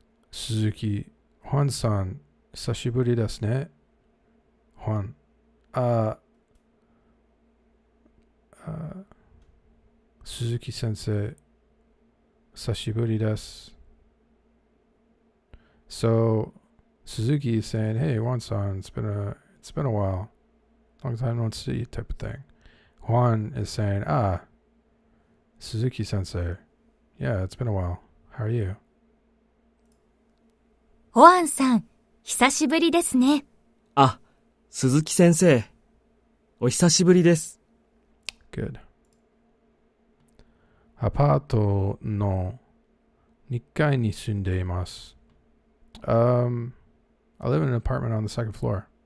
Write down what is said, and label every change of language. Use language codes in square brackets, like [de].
[ja] 鈴木、ホアンさん、久しぶりですね。ホアン、鈴木先生、久しぶりです。 [en] So, Suzuki is saying, hey, ホアンさん、it's been a while. Long time no see, type of thing. ホアン is saying, ah, Suzuki 先生、yeah, it's been a while. How are you? [ja] ホアンさん、久しぶりですね。あ、鈴木先生、お久しぶりです。 [en] Good. [ja] アパートの2階に住んでいます。 [en] I live in an apartment on the second floor.